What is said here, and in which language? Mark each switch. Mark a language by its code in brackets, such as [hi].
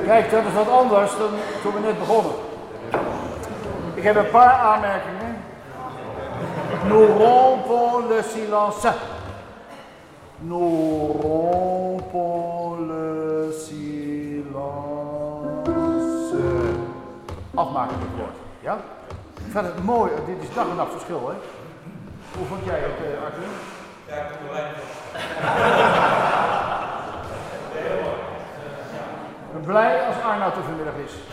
[nl] Dat is wat anders dan toen we net begonnen. Ik heb een paar aanmerkingen. [fr] Nous rompons le silence. Nous rompons le silence. [nl] Afmaken dit woord. Ja? Ik vind het mooi, dit is dag en nacht verschil, hè? Hoe vond jij het, Arthur? Ja, ik vond het wel lekker. Blij als Arnoud er vanmiddag is.